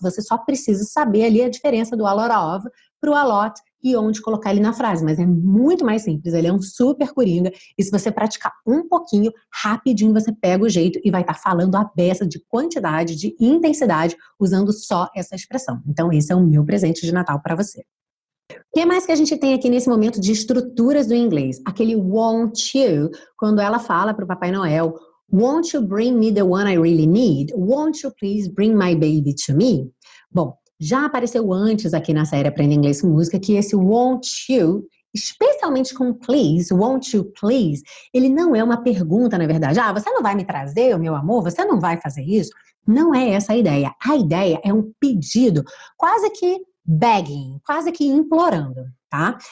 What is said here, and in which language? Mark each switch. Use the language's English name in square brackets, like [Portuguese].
[Portuguese] Você só precisa saber ali a diferença do a lot of para o a lot e onde colocar ele na frase, mas é muito mais simples, ele é um super coringa, e se você praticar um pouquinho, rapidinho você pega o jeito e vai estar falando a beça de quantidade, de intensidade, usando só essa expressão. Então esse é o meu presente de Natal para você. O que mais que a gente tem aqui nesse momento de estruturas do inglês? Aquele [English] won't you, quando ela fala para o Papai Noel, won't you bring me the one I really need? Won't you please bring my baby to me? [Portuguese] Bom, já apareceu antes aqui na série Aprenda Inglês com Música que esse won't you, especialmente com please, won't you please, ele não é uma pergunta, na verdade. Ah, você não vai me trazer, meu amor? Você não vai fazer isso? Não é essa a ideia. A ideia é um pedido, quase que begging, quase que implorando, tá?